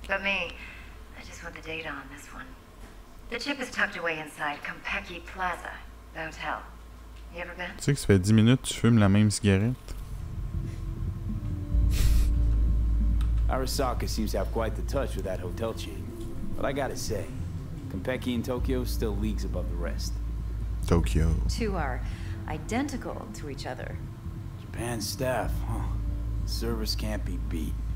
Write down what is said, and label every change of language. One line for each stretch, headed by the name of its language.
English: But me, I just want the data on this one. The chip is tucked away inside Compeki Plaza, the hotel. You ever been?
French: Tu sais que ça fait 10 minutes, tu fumes la même cigarette.
English: Arasaka seems to have quite the touch with that hotel chain. But I gotta say, Compeki in Tokyo still leagues above the rest. Tokyo. Two are identical to each other. Japan staff, huh? Service can't be beat.